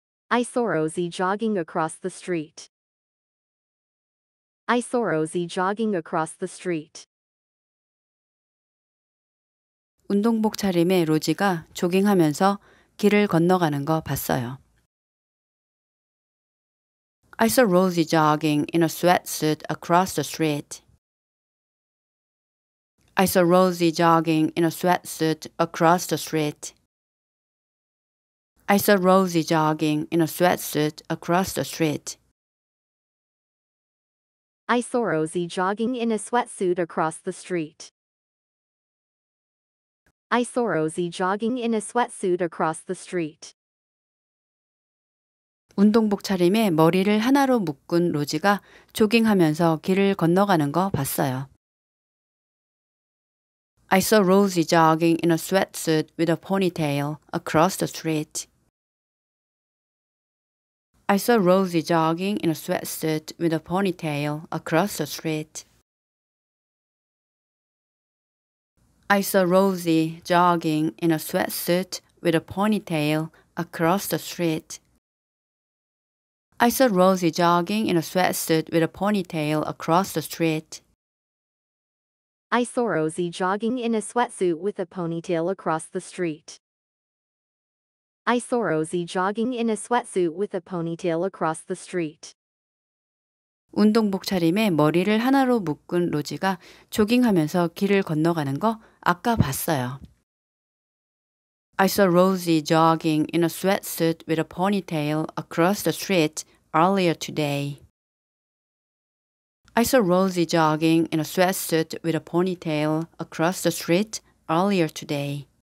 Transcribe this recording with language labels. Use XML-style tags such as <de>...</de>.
<en>I saw Rosy jogging across the street. I saw Rosy jogging across the street.</en> <ko>운동복 차림의 로지가 조깅하면서 길을 건너가는 거 봤어요.</ko> <en>I saw Rosy jogging in a sweatsuit across the street. I saw Rosy jogging in a sweatsuit across the street. I saw Rosy jogging in a sweatsuit across the street. I saw Rosy jogging in a sweatsuit across the street. I saw Rosy jogging in a sweatsuit across the street.</en> <ko>운동복 차림에 머리를 하나로 묶은 로지가 조깅하면서 길을 건너가는 거 봤어요.</ko> <en>I saw Rosy jogging in a sweatsuit with a ponytail across the street. I saw Rosy jogging in a sweatsuit with a ponytail across the street. I saw Rosy jogging in a sweatsuit with a ponytail across the street. I saw Rosy jogging in a sweatsuit with a ponytail across the street. I saw Rosy jogging in a sweatsuit with a ponytail across the street. I saw Rosy jogging in a sweatsuit with a ponytail across the street.</en> <ko>운동복 차림에 머리를 하나로 묶은 로지가 조깅하면서 길을 건너가는 거 아까 봤어요.</ko> <en>I saw Rosy jogging in a sweatsuit with a ponytail across the street earlier today. I saw Rosy jogging in a sweatsuit with a ponytail across the street earlier today.</en>